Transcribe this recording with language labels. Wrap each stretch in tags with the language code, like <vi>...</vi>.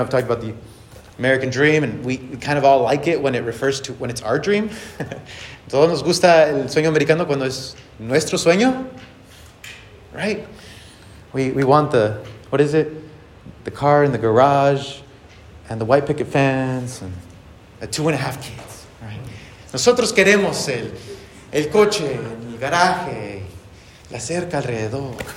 <en>I've talked about the American dream, and we kind of all like it when it refers to when it's our dream.</en> <es>Todos nos gusta el sueño americano cuando es nuestro sueño,</es> <en>right? We want the, what is it? The car in the garage and the white picket fence and the 2.5 kids, right?</en> <es>Nosotros queremos el coche, el garaje, la cerca alrededor.</es>